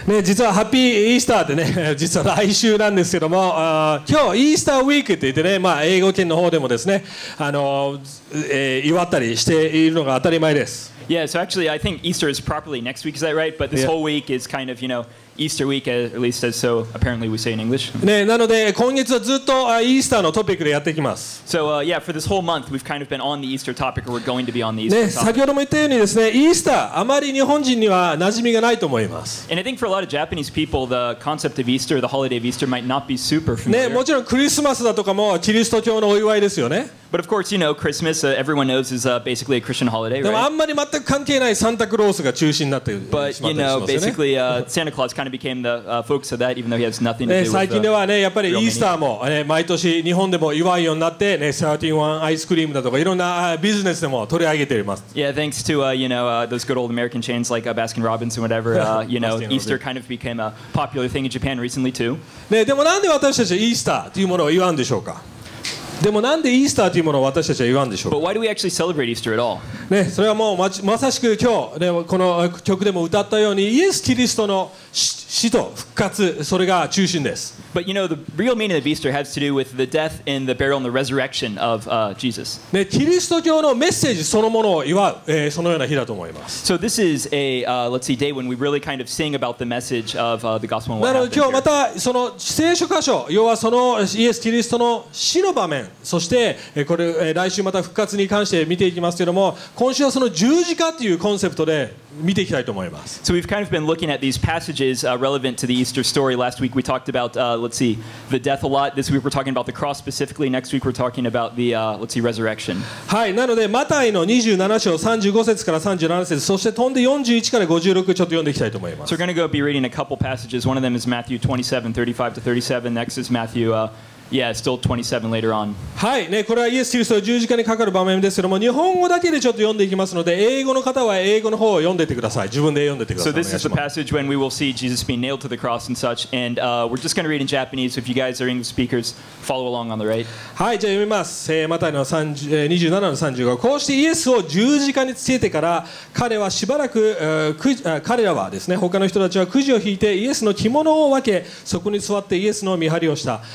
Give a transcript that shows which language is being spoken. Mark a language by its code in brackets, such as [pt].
[ja] ね、実はハッピーイースターってね、実は来週なんですけども、今日イースターウィークって言ってね、まあ、英語圏の方でもですね、祝ったりしているのが当たり前です。 [en] Yeah, so actually, I think Easter is properly next week, is that right? But this whole week is kind of, you know, Easter week, at least as so apparently we say in English. [ja] ね、なので今月はずっと、Easter のトピックでやっていきます。 [en] So, yeah, for this whole month, we've kind of been on the Easter topic, or we're going to be on the Easter topic. [ja] ね、先ほども言ったようにですね、Easter、あまり日本人には馴染みがないと思います。 [en] And I think for a lot of Japanese people, the concept of Easter, the holiday of Easter, might not be super familiar. [ja] ね、もちろんクリスマスだとかもキリスト教のお祝いですよね。 [en] But of course, you know, Christmas, everyone knows, is basically a Christian holiday, right? [ja] でもあんまり全く関係ないサンタクロースが中心になってしまったりしますよね。 [en] But, you know, basically, Santa Claus kind of became the focus of that, even though he has nothing to do with the real meaning. [ja] 最近ではね、やっぱりイースターも、毎年日本でも祝いようになって、ね、31 アイスクリームだとか、いろんなビジネスでも取り上げています。 [en] Yeah, thanks to, you know, those good old American chains like Baskin Robbins and whatever, you know, Easter kind of became a popular thing in Japan recently, too. [ja] ね、でもなんで私たちイースターというものを祝うんでしょうか？でもなんでイースターというものを私たちは祝うんでしょう。 [en] But why do we actually celebrate Easter at all? [ja] ね、それはもう まさしく今日、ね、この曲でも歌ったようにイエス・キリストの死と復活、それが中心です。 [en] But you know, the real meaning of Easter has to do with the death and the burial and the resurrection of Jesus. [ja] ね、キリスト教のメッセージそのものを祝う、そのような日だと思います。 [en] So this is a, let's see, day when we really kind of sing about the message of the gospel and what happened here. [ja] なので今日またその聖書箇所、要はそのイエス・キリストの死の場面、そしてこれ来週また復活に関して見ていきますけれども、今週はその十字架というコンセプトで見ていきたいと思います。 [en] So we've kind of been looking at these passages relevant to the Easter story. Last week we talked about, let's see, the death a lot. This week we're talking about the cross specifically. Next week we're talking about the, let's see, resurrection. [ja] はい、なのでマタイの27章35節から37節、そして飛んで41から56ちょっと読んでいきたいと思います。 [en] So we're going to go be reading a couple passages. One of them is Matthew 27, 35 to 37. Next is Matthew, Yeah, still 27 later on. [ja] はい、ね、これはイエス・キリストが十字架にかかる場面ですけども、日本語だけでちょっと読んでいきますので、英語の方は英語の方を読んでてください。自分で読んでてください。 [en] So this is the passage when we will see Jesus being nailed to the cross and such, and we're just going to read in Japanese. So if you guys are English speakers, follow along on the right. [ja] はい、じゃあ読みます。マタイの27の35。こうしてイエスを十字架につけてから、彼はしばらく、彼らはですね、他の人たちはくじを引いてイエスの着物を分け、そこに座ってイエスの見張りをした。